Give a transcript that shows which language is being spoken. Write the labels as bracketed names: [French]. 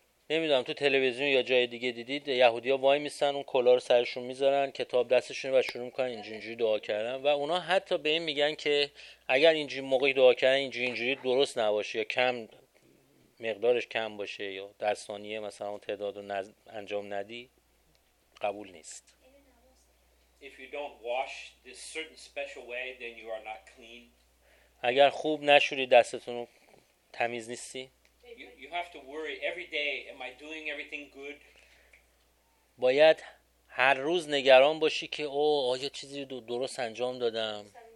[Persian] نمیدونم تو تلویزیون یا جای دیگه دیدید یهودی‌ها وای میسن اون کلا رو سرشون میذارن کتاب دستشون و شروع میکنن اینجوری دعا کردن و اونا حتی به این میگن که اگر اینجوری موقعی دعا کردن اینجوری درست نباشه یا کم مقدارش کم باشه یا در ثانیه مثلا اون تعداد رو انجام ندی قبول نیست. [English] If you don't wash this certain special way then you are not clean. [Persian] اگر خوب نشوری دستتون رو تمیز نیستی. [English] You have to worry every day, am I doing everything good? [Persian] باید هر روز نگران باشی که آیا چیزی رو درست انجام دادم.